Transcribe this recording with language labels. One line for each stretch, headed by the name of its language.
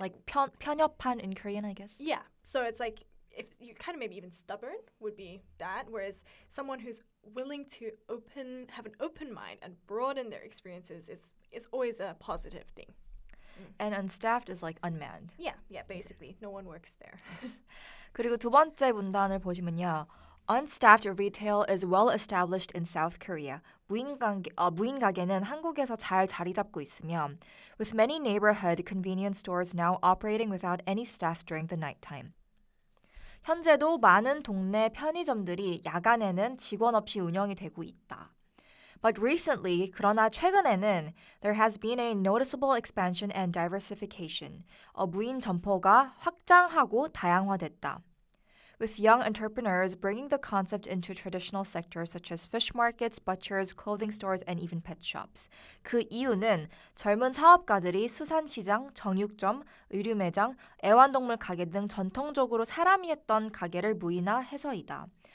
English: Like 편협한 in Korean, I guess. Yeah. So it's like, if you're kind of maybe even stubborn would be that. Whereas someone who's willing to open, have an open mind and broaden their experiences is always a positive thing. And unstaffed is like unmanned. Yeah, yeah, basically. No one works there.
Korean: 그리고 두 번째 문단을 보시면요.
English: Unstaffed retail is well established in South Korea.
Korean: 무인 가게는 한국에서 잘 자리 잡고 있으며
English: with many neighborhood convenience stores now operating without any staff during the nighttime.
Korean: 현재도 많은 동네 편의점들이 야간에는 직원 없이 운영이 되고 있다.
English: But recently,
Korean: 그러나 최근에는
English: there has been a noticeable expansion and diversification.
Korean: 무인 점포가 확장하고 다양화됐다.
English: With young entrepreneurs bringing the concept into traditional sectors such as fish markets, butchers, clothing stores, and even pet shops.
Korean: 그 이유는 젊은 사업가들이 수산시장, 정육점, 의류 매장, 애완동물 가게 등 전통적으로 사람이 했던 가게를 무인화해서이다.